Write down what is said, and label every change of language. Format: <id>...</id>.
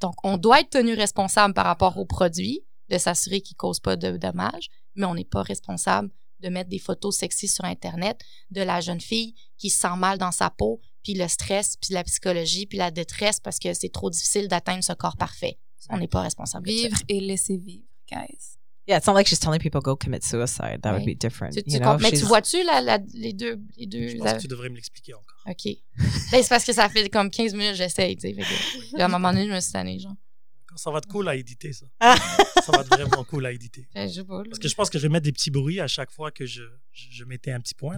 <fr>Donc, on doit être tenu responsable par rapport au produit, de s'assurer qu'il cause pas de dommages, mais on n'est pas responsable de mettre des photos sexy sur Internet de la jeune fille qui se sent mal dans sa peau, puis le stress, puis la psychologie, puis la détresse, parce que c'est trop difficile d'atteindre ce corps parfait. On n'est pas responsable. Vivre et laisser vivre, guys.</fr> <en>Yeah, it's not like she's telling people go commit suicide. That would be different.</en> <fr>Tu vois-tu les deux? Je pense que tu devrais me l'expliquer encore. OK. Là, c'est parce que ça fait comme 15 minutes, j'essaye. Tu sais, à un moment donné, je me suis tannée, genre. Ça va être cool à éditer, ça. Ça va être vraiment cool à éditer. Parce que je pense que je vais mettre des petits bruits à chaque fois que je mettais un petit point.</fr>